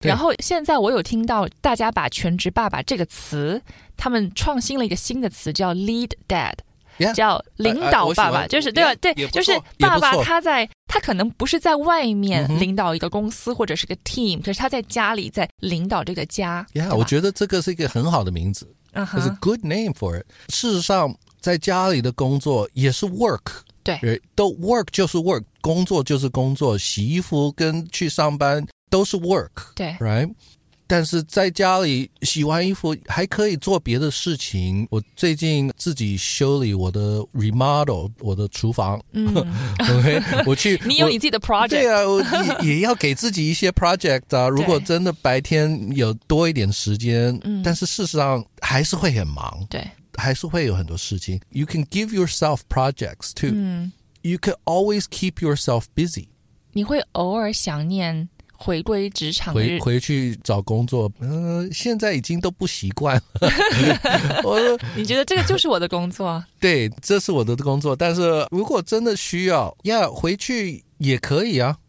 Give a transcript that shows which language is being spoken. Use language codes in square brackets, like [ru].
[zh] 然后现在我有听到大家把全职爸爸这个词，他们创新了一个新的词叫 lead dad。 [en] Yeah, [zh] 叫领导爸爸，就是对吧？对，就是爸爸他在，他可能不是在外面领导一个公司或者是个 team， 可是他在家里在领导这个家。 Yeah, 我觉得这个是一个很好的名字 ， [en] It's a good name for it。 [zh] 事实上，在家里的工作也是 work，对，都 work 就是 work， 工作就是工作，洗衣服跟去上班都是 work，对 [en] ，right。 [zh] 但是在家里洗完衣服还可以做别的事情，我最近自己修理我的 remodel 我的厨房okay, 我去你有你自己的 project，对啊，我 也要给自己一些 project 啊，如果真的白天有多一点时间但是事实上还是会很忙，对，还是会有很多事情。 [en] You can give yourself projects too、You can always keep yourself busy。 [zh] 你会偶尔想念回归职场，回去找工作，现在已经都不习惯了。我说，你觉得这个就是我的工作？对，这是我的工作。但是如果真的需要，回去也可以啊。